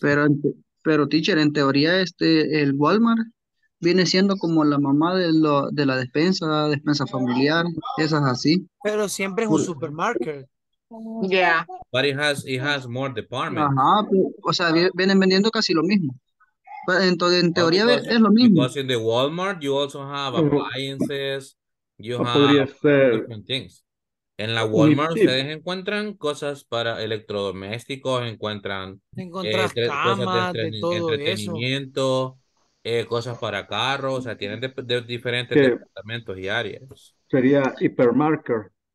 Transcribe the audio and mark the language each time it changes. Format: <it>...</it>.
<es>Pero, teacher, en teoría, el Walmart viene siendo como la mamá de la despensa familiar, esas así. Pero siempre es un supermarket.</es> <en>Yeah. But it has more departments.</en> <es>Ajá, o sea, vienen vendiendo casi lo mismo. Entonces, en teoría, es lo mismo.</es> <en>Because in the Walmart, you also have appliances, you have different things.</en> <es>En la Walmart ustedes encuentran cosas para electrodomésticos, encuentran camas, cosas de entretenimiento, cosas para carros, o sea, tienen de diferentes departamentos y áreas. Sería hipermarket.</es>